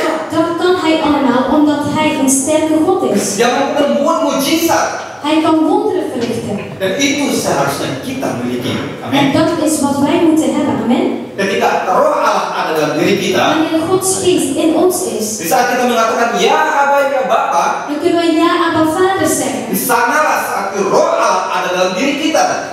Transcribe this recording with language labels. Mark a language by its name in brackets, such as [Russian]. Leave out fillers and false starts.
[Dutch] Dat kan hij allemaal omdat hij een sterke God is. [Indonesian] Ja, membuat mujizat. [Dutch] Hij kan wonderen verrichten. [Indonesian] Dan itu seharusnya kita miliki. [Dutch] En dat is wat wij moeten hebben. Amen. [Indonesian] Ketika roh Allah ada dalam diri kita. [Dutch] Wanneer Gods geest in ons is. [Indonesian] Di saat kita mengatakan ya Abba ya Bapa. [Dutch] Dan kunnen we ya Abba Vader zeggen. [Indonesian] Di sanalah saat roh Allah ada dalam diri kita.